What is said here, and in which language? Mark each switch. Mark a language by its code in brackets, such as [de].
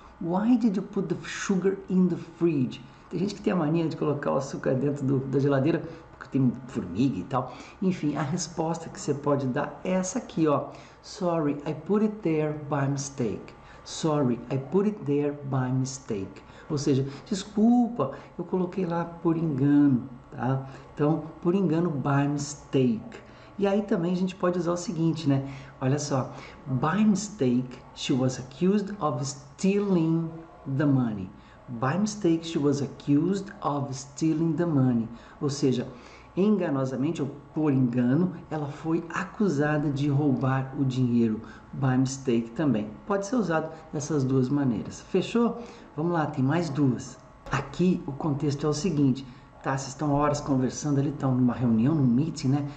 [en] Why did you put the sugar in the fridge? [pt] Tem gente que tem a mania de colocar o açúcar dentro da geladeira, porque tem formiga e tal. Enfim, a resposta que você pode dar é essa aqui, ó: [en] Sorry, I put it there by mistake. Sorry, I put it there by mistake. [pt] Ou seja, desculpa, eu coloquei lá por engano, tá? Então, por engano, by mistake. E aí também a gente pode usar o seguinte, né? Olha só: [en] By mistake, she was accused of stealing the money. By mistake, she was accused of stealing the money. [pt] Ou seja, enganosamente ou por engano, ela foi acusada de roubar o dinheiro. By mistake também. Pode ser usado dessas duas maneiras. Fechou? Vamos lá, tem mais duas. Aqui o contexto é o seguinte. Tá, vocês estão horas conversando ali, estão numa reunião, num meeting, né?